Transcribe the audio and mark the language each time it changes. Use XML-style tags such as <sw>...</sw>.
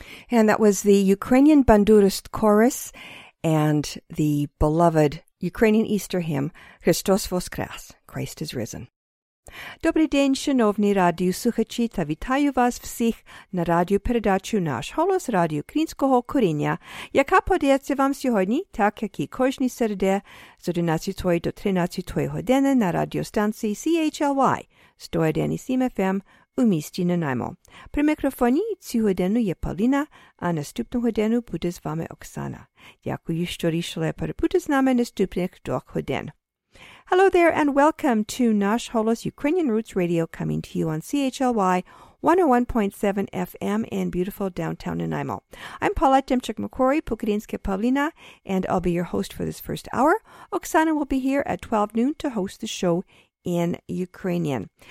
<en>And that was the Ukrainian Bandurist Chorus and the beloved Ukrainian Easter hymn, Christos Voskres, Christ is Risen.</en> <uk>Dobrý den, шановні радіослухачі, та вітаю вас всіх на радіопередачу «Наш голос» радіо Українського коріння, яка подається вам сьогодні, так як і кожні середи з 11 до 13 години на радіостанції CHLY, 101.7 FM у місті Нанаймо. При мікрофоні цю годину є Павліна, а наступну годину буде з вами Оксана. Дякую, що рішили перебути з нами наступних двох годин.</uk> <en>Hello there and welcome to Nash Holos Ukrainian Roots Radio coming to you on CHLY 101.7 FM in beautiful downtown Nanaimo. I'm Paula Demchuk-McCory, Pukadinska Pavlina, and I'll be your host for this first hour. Oksana will be here at 12 noon to host the show in Ukrainian.</en>